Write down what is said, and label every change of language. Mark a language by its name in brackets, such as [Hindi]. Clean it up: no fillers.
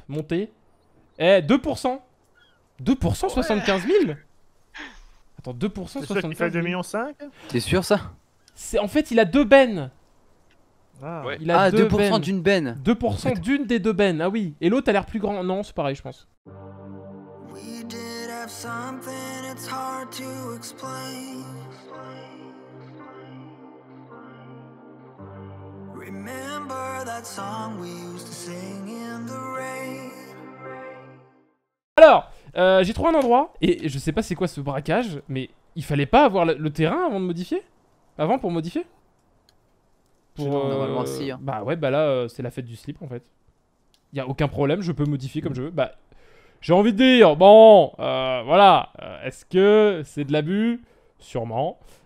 [French] Monter. Eh, 2%! 2% ouais. 75 000 Attends, 2% 75 000 C'est sûr qu'il fait 2,5 millions. T'es sûr ça? C'est, en fait, il a deux bennes. Ah, ouais. Il a 2% bennes. D'une benne. 2% en fait. D'une des deux bennes, ah oui. Et l'autre a l'air plus grand. Non, c'est pareil, je pense. [English] We did have something, it's hard to explain. Remember that song we used to sing in the rain. [French] Alors, j'ai trouvé un endroit, et je sais pas c'est quoi ce braquage, mais il fallait pas avoir le terrain avant de modifier? Avant pour modifier pour, normalement si. Hein. Bah ouais, bah là, c'est la fête du slip en fait. Y'a aucun problème, je peux modifier comme je veux. Bah, j'ai envie de dire, bon, voilà, est-ce que c'est de l'abus? Sûrement.